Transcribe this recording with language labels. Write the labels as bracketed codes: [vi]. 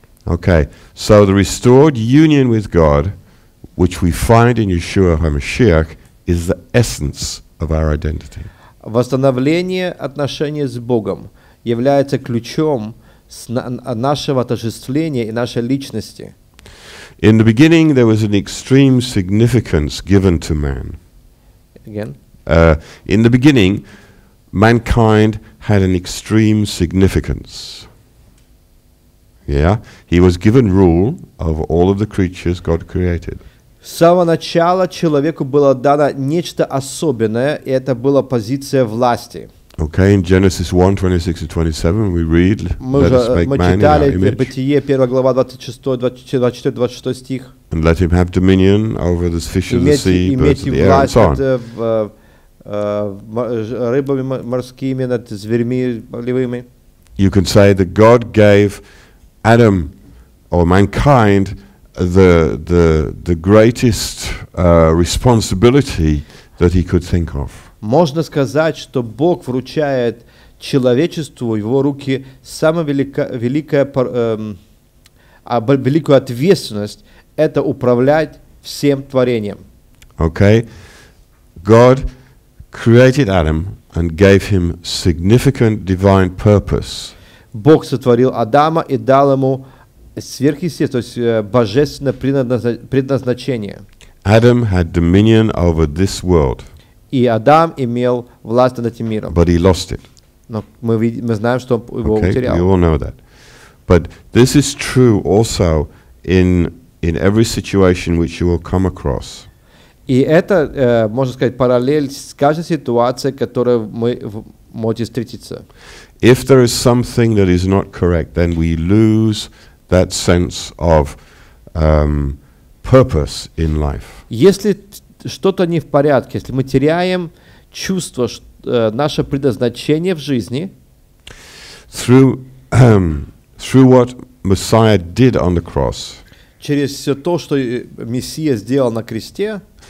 [en] Okay, so the restored union with God, which we find in Yeshua HaMashiach, is the essence of our identity. [ru] Восстановление отношений с Богом является ключом нашего отождествления и нашей личности. [en] In the beginning, there was an extreme significance given to man. Again? In the beginning, mankind had an extreme significance. Yeah? He was given rule over all of the creatures God created. [ru] С самого начала человеку было дано нечто особенное, и это была позиция власти. [en] Okay, in Genesis 1:26-27 we read, let us make man in our image. [ru] Бытие, 1 глава, 24-26 стих. [en] And let him have dominion over the fish of the sea, birds of the air, and so on. [ru] Рыбами морскими, над зверьми полевыми. [en] You can say that God gave Adam, or mankind, the greatest responsibility that he could think of. [ru] Можно сказать, что Бог вручает человечеству в его руки самую великую ответственность – это управлять всем творением. [en] Okay. God created Adam and gave him significant divine purpose. [ru] Бог сотворил Адама и дал ему сверхъестественное, то есть божественное предназначение. [en] Adam had dominion over this world. [ru] И Адам имел власть над этим миром. [en] But he lost it. [ru] Но мы знаем, что его [en] okay, [ru] утерял. [en] You all know that. But this is true also in every situation which you will come across. [ru] И это, можно сказать, параллель с каждой ситуацией, с которой мы можем встретиться. [en] If there is something that is not correct, then we lose that sense of purpose in life. [ru] Если что-то не в порядке, если мы теряем чувство, наше предназначение в жизни, [en] through what Messiah did on the cross, [ru] через все то, что Мессия сделал на кресте,